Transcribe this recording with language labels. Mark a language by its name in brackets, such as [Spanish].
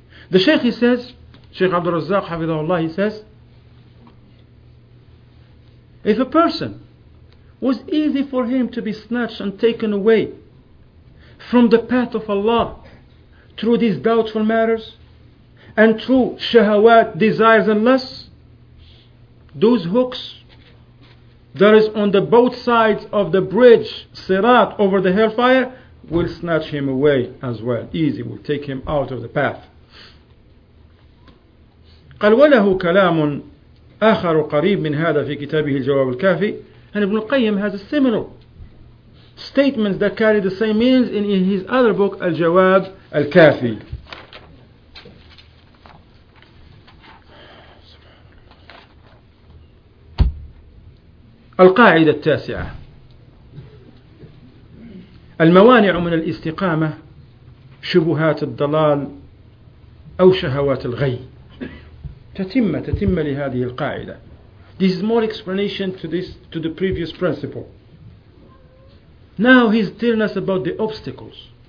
[English] The Shaykh, he says, Shaykh Abdul Razzaq, [Arabic] حفظه الله, [English] he says, if a person was easy for him to be snatched and taken away from the path of Allah through these doubtful matters and through shahawat, desires and lusts, those hooks that is on the both sides of the bridge, sirat, over the hellfire, will snatch him away as well. Easy, will take him out of the path. [Arabic] قَلْ وَلَهُ كَلَامٌ آخر قريب من هذا في كتابه الجواب الكافي. [English] And Ibn Qayyim has a similar statement that carry the same meanings in his other book, الجواب الكافي. [Arabic] القاعدة التاسعة. الموانع من الاستقامة شبهات الضلال أو شهوات الغي. تتم لهذه القاعدة. [English] This is more explanation to the previous principle. Now he's telling us about the obstacles.